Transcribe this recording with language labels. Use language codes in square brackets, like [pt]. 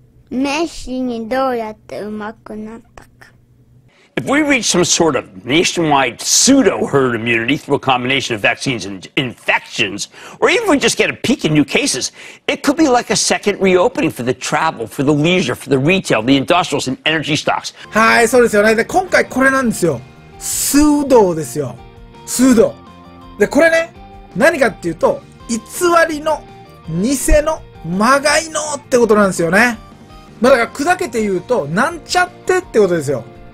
[ja] メッシにどうやって上手くなったか。 [en] If we reach some sort of nationwide pseudo herd immunity through a combination of vaccines and infections, or even if we just get a peak in new cases, it could be like a second reopening for the travel, for the leisure, for the retail, the industrials, and energy stocks. [ja] はい、そうですよね。で、今回これなんですよ。スードですよ。スード。で、これね、何かっていうと、偽りの偽のまがいのってことなんですよね。まあ、だから砕けて言うと、なんちゃってってことですよ。